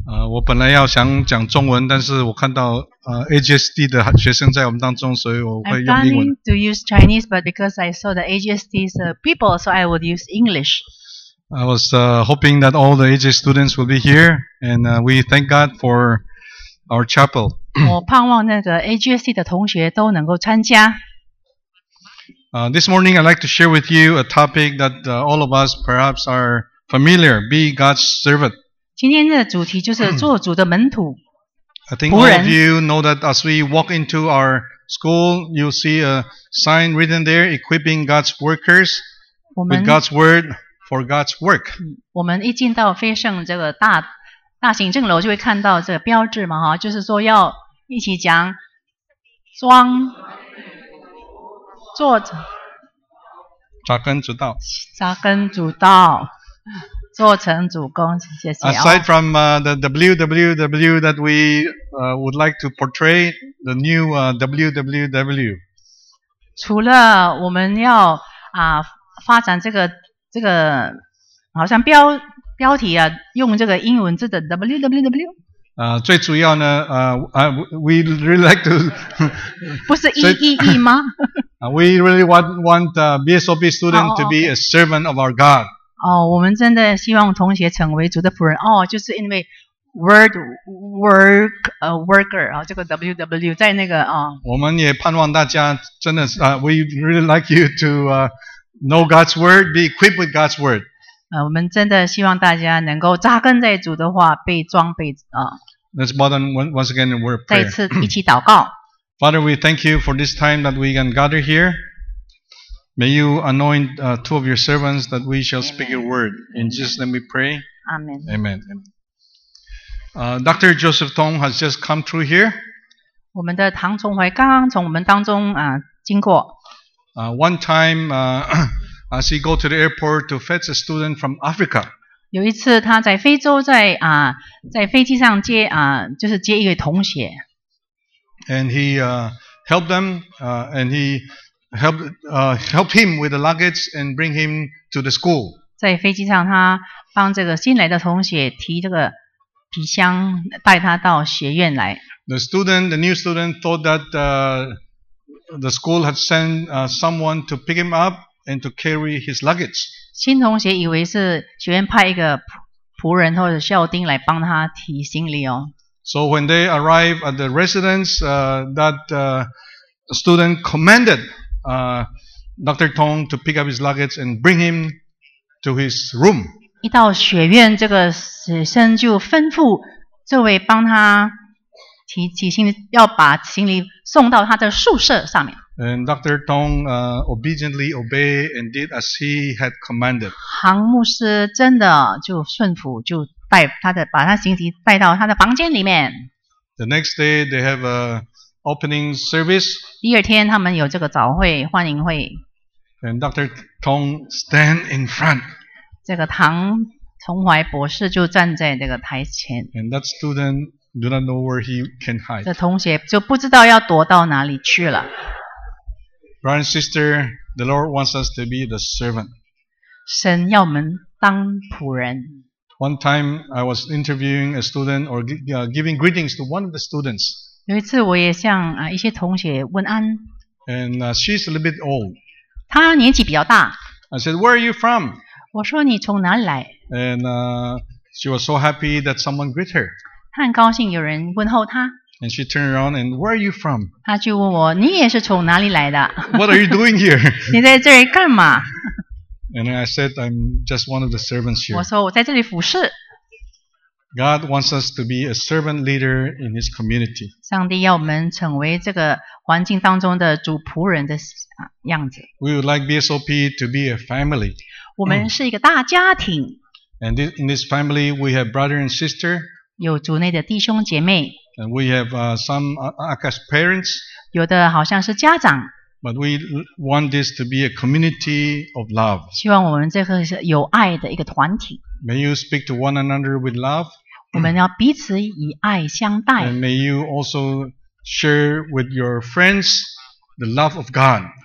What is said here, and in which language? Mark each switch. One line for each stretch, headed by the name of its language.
Chinese: 我本来要想讲中文，但是我看到AGSD 的学生在我们当中，所以我会用英文。
English: I'm planning to use Chinese, but because I saw the AGSD's people, so I would use English. I was hoping that all the AGSD students will be here, and we thank God for our chapel.
Chinese: 我盼望那个 AGSD 的同学都能够参加。
English: This morning, I'd like to share with you a topic that all of us perhaps are familiar: be God's servant.
Chinese: 今天的主题就是做主的门徒。
English: I think all of you know that as we walk into our school, you'll see a sign written there, equipping God's workers with God's word for God's work.
Chinese: 我们一进到飞圣这个大行政楼，就会看到这个标志嘛，就是说要一起讲装。做扎根主道，扎根主道，做成主工，谢谢。
English: Aside from the www that we would like to portray, the new www.
Chinese: 除了我们要发展这个，好像标题啊，用这个英文字的 www。最主要呢
English: we really like to
Chinese: 不是EEE吗
English: we really want BSOB student to be a servant of our God.
Chinese: 哦，我们真的希望同学成为主的仆人。哦，就是因为 worker 啊，这个 www 在那个啊。我们也盼望大家真的是
English: we really like you to know God's word, be equipped with God's word.
Chinese: 我们真的希望大家能够扎根在主的话，被装备啊。
English: Let's bottom once again in word prayer.
Chinese: 再次一起祷告。
English: Father, we thank you for this time that we can gather here. May you anoint two of your servants that we shall speak your word. In Jesus' name we pray. Amen. Amen. Dr. Joseph Tong has just come through here.
Chinese: 我们的唐崇怀刚刚从我们当中经过。
English: One time, as he go to the airport to fetch a student from Africa.
Chinese: 有一次他在非洲在飞机上接就是接一个同学。
English: And he helped them, and he helped him with the luggage and bring him to the school.
Chinese: 在飞机上，他帮这个新来的同学提这个皮箱，带他到学院来。
English: The new student, thought that the school had sent someone to pick him up and to carry his luggage.
Chinese: 新同学以为是学院派一个仆人或者校丁来帮他提行李哦。
English: So when they arrived at the residence, student commanded Dr. Tong to pick up his luggage and bring him to his room.
Chinese: 一到学院，这个学生就吩咐这位帮他提行李，要把行李送到他的宿舍上面。
English: And Dr. Tong obediently obeyed and did as he had commanded.
Chinese: 韩牧师真的就顺服就。把他行李带到他的房间里面。
English: The next day, they have a opening service.
Chinese: 第二天，他们有这个早会欢迎会。
English: And Dr. Tong stand in front.
Chinese: 这个唐崇怀博士就站在这个台前。
English: And that student do not know where he can hide.
Chinese: 这同学就不知道要躲到哪里去了。
English: Brother and sister, the Lord wants us to be the servant.
Chinese: 神要我们当仆人。
English: One time, I was interviewing a student or giving greetings to one of the students.
Chinese: 有一次我也向一些同学问安。
English: And she's a little bit old.
Chinese: 她年纪比较大。
English: I said, where are you from?
Chinese: 我说你从哪里来。
English: And she was so happy that someone greeted her.
Chinese: 她很高兴有人问候她。
English: And she turned around and, where are you from?
Chinese: 她就问我，你也是从哪里来的。
English: What are you doing here?
Chinese: 你在这里干嘛？
English: And I said, I'm just one of the servants here.
Chinese: 我说我在这里服侍。
English: God wants us to be a servant leader in His community.
Chinese: 上帝要我们成为这个环境当中的主仆人的样子。
English: We would like BSOP to be a family.
Chinese: 我们是一个大家庭。
English: And in this family, we have brother and sister.
Chinese: 有主内的弟兄姐妹。
English: And we have some Akash parents.
Chinese: 有的好像是家长。
English: But we want this to be a community of love.
Chinese: 希望我们这个是有爱的一个团体。
English: May you speak to one another with love.
Chinese: 我们要彼此以爱相待。
English: And may you also share with your friends the love of God.